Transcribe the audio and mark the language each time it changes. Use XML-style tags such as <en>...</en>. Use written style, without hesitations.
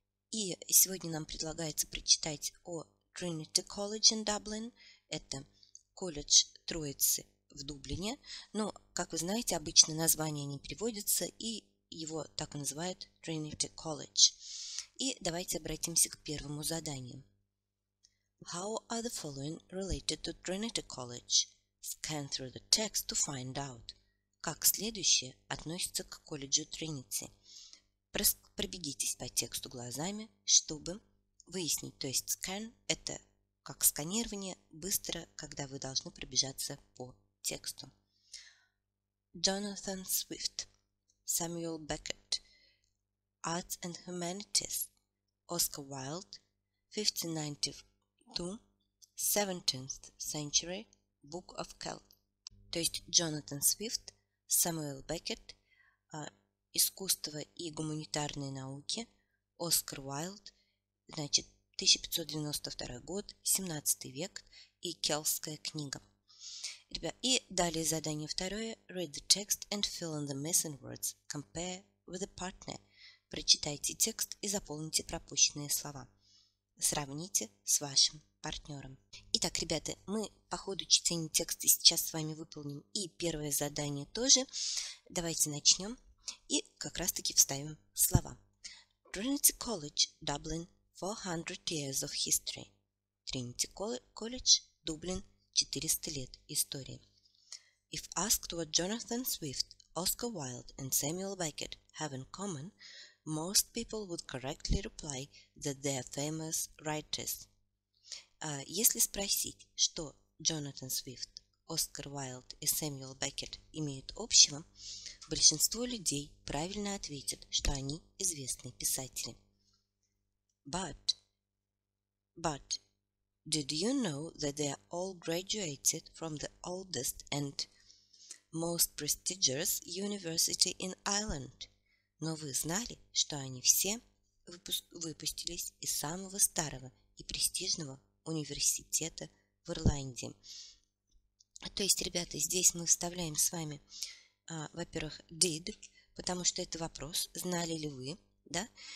<ru>И сегодня нам предлагается прочитать о Trinity College in Dublin. Это колледж Троицы в Дублине. Но, как вы знаете, обычно название не переводится, и его так и называют Trinity College. И давайте обратимся к первому заданию.</ru> <en>How are the following related to Trinity College? Scan through the text to find out.</en> <ru>Как следующее относится к колледжу Тринити? Пробегитесь по тексту глазами, чтобы выяснить. То есть scan – это как сканирование быстро, когда вы должны пробежаться по тексту.</ru> <en>Jonathan Swift, Samuel Beckett, Arts and Humanities, Oscar Wilde, 1594. 17th century Book of Celt.</en> <ru>То есть Джонатан Свифт, Самуэл Беккет, искусство и гуманитарные науки, Оскар Уайлд, значит, 1592 год, 17 век и Келтская книга. Ребят, и далее задание второе.</ru> <en>Read the text and fill in the missing words. Compare with the partner.</en> <ru>Прочитайте текст и заполните пропущенные слова. Сравните с вашим партнером. Итак, ребята, мы по ходу чтения текста сейчас с вами выполним и первое задание тоже. Давайте начнем и как раз-таки вставим слова.</ru> <en>Trinity College, Dublin, 400 years of history.</en> <ru>Trinity College, Dublin, 400 лет истории.</ru> <en>If asked what Jonathan Swift, Oscar Wilde and Samuel Beckett have in common, most people would correctly reply that they are famous writers.</en> <ru>Если спросить, что Джонатан Свифт, Оскар Уайлд и Сэмюэл Беккет имеют общего, большинство людей правильно ответят, что они известные писатели.</ru> <en>But did you know that they are all graduated from the oldest and most prestigious university in Ireland?</en> <ru>Но вы знали, что они все выпустились из самого старого и престижного университета в Ирландии. То есть, ребята, здесь мы вставляем с вами, во-первых, did, потому что это вопрос, знали ли вы, да?</ru>